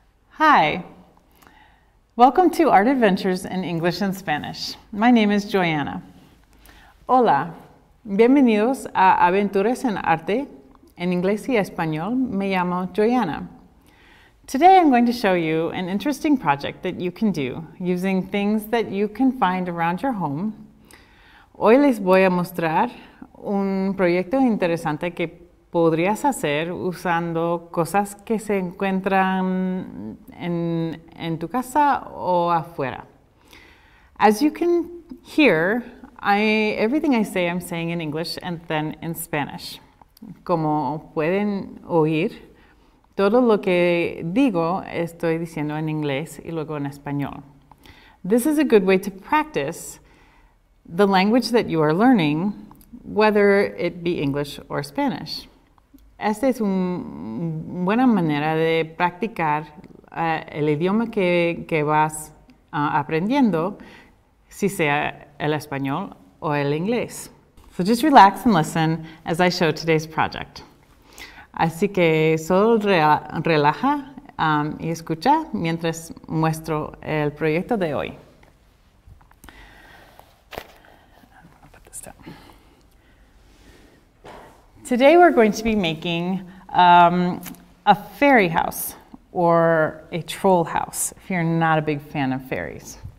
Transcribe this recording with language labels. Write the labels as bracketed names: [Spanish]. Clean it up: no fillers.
[English] Hi, welcome to Art Adventures in English and Spanish. My name is Joyanna. [Spanish] Hola, bienvenidos a Aventuras en Arte en Inglés y Español. Me llamo Joyanna. [English] Today I'm going to show you an interesting project that you can do using things that you can find around your home. [Spanish] Hoy les voy a mostrar un proyecto interesante que podrías hacer usando cosas que se encuentran en tu casa o afuera. [English] As you can hear, everything I say, I'm saying in English and then in Spanish. [Spanish] Como pueden oír, todo lo que digo estoy diciendo en inglés y luego en español. [English] This is a good way to practice the language that you are learning, whether it be English or Spanish. [Spanish] Esta es una buena manera de practicar el idioma que vas aprendiendo, si sea el español o el inglés. [English] So just relax and listen as I show today's project. [Spanish] Así que solo relaja y escucha mientras muestro el proyecto de hoy. [English] Today we're going to be making a fairy house, or a troll house, if you're not a big fan of fairies.